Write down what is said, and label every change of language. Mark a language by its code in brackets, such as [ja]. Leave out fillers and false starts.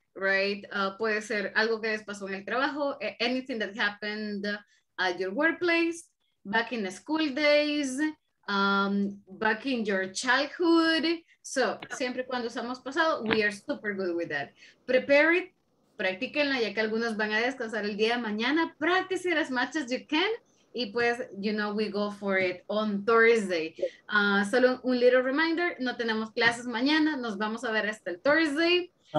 [en] Right, [es] puede ser algo que les pasó en el trabajo, [en] anything that happened at your workplace, back in the school days, back in your childhood. So, [es] siempre cuando usamos pasado, [en] we are super good with that. [es] Prepare it, practíquenla, ya que algunos van a descansar el día de mañana. [en] Practice it as much as you can, [es] y pues, [en] you know, we go for it on Thursday. [es] Solo un [en] little reminder, [es] no tenemos clases mañana, nos vamos a ver hasta el Thursday.